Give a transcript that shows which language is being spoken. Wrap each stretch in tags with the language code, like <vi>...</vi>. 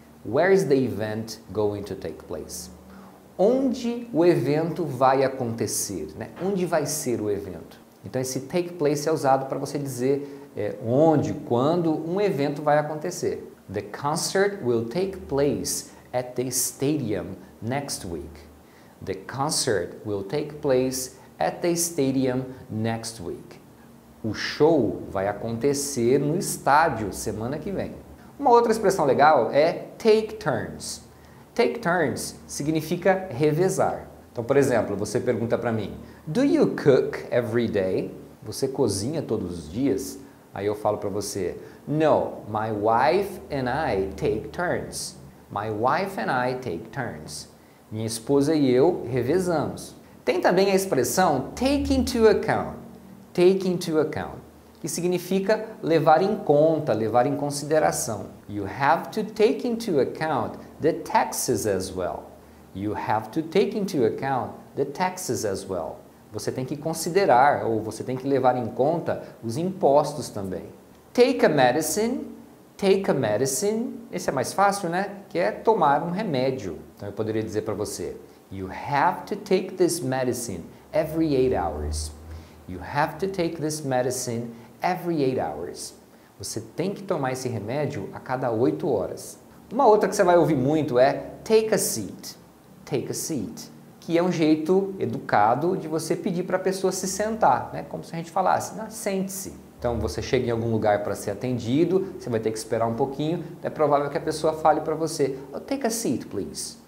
<en>Where is the event going to take place?</en> <pt>Onde o evento vai acontecer, né? Onde vai ser o evento? Então, esse take place é usado para você dizer onde, quando um evento vai acontecer.</pt> <en>The concert will take place at the stadium next week. The concert will take place at the stadium next week.</en> <pt>O show vai acontecer no estádio semana que vem. Uma outra expressão legal é take turns. Take turns significa revezar. Então, por exemplo, você pergunta para mim,</pt> <en>do you cook every day?</en> <pt>Você cozinha todos os dias? Aí eu falo para você,</pt> <en>no, my wife and I take turns. My wife and I take turns.</en> <pt>Minha esposa e eu revezamos. Tem também a expressão take into account. Take into account, que significa levar em conta, levar em consideração.</pt> <en>You have to take into account the taxes as well. You have to take into account the taxes as well.</en> <pt>Você tem que considerar ou você tem que levar em conta os impostos também.</pt> <en>Take a medicine. Take a medicine.</en> <pt>Esse é mais fácil, né? Que é tomar um remédio. Então eu poderia dizer para você,</pt> <en>you have to take this medicine every 8 hours. You have to take this medicine every 8 hours.</en> <pt>Você tem que tomar esse remédio a cada 8 horas. Uma outra que você vai ouvir muito é take a seat. Take a seat. Que é um jeito educado de você pedir para a pessoa se sentar, né? Como se a gente falasse, né? Sente-se. Então você chega em algum lugar para ser atendido, você vai ter que esperar um pouquinho, é provável que a pessoa fale para você,</pt> <en>oh, take a seat, please.</en>